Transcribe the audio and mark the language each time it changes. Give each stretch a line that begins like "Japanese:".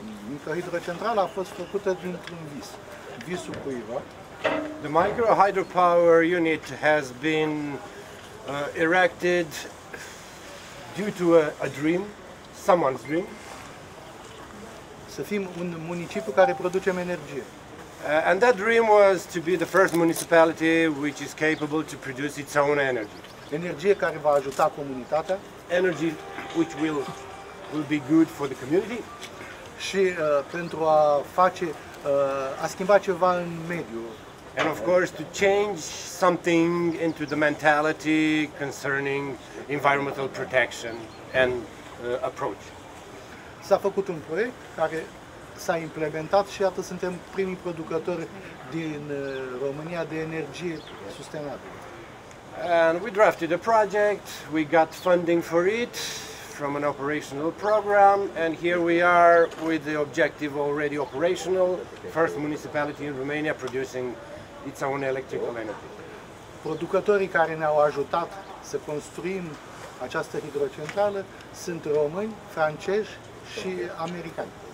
Romanian: Microhidrocentrala a fost făcută dintr-un vis, visul cuiva.
English: The microhydropower unit has been erected due to a dream, someone's dream.
Romanian: Să fim un municipiu care producem energie.
English: And that dream was to be the first municipality which is capable to produce its own energy.
Romanian: Energie care va ajuta comunitatea.
English: Energy which will be good for the community.
Romanian: Și pentru a face, a schimba ceva în mediu.
English: And of course to change something into the mentality concerning environmental protection and approach.
Romanian: S-a făcut un proiect care s-a implementat și iată suntem primii producători din România de energie sustenabilă.
English: And we drafted a project, we got funding for it from an operational program, and here we are with the objective already operational, first municipality in Romania producing its own electrical energy.
Romanian: Producătorii care ne-au ajutat să construim această hidrocentrală sunt români, francezi și americani.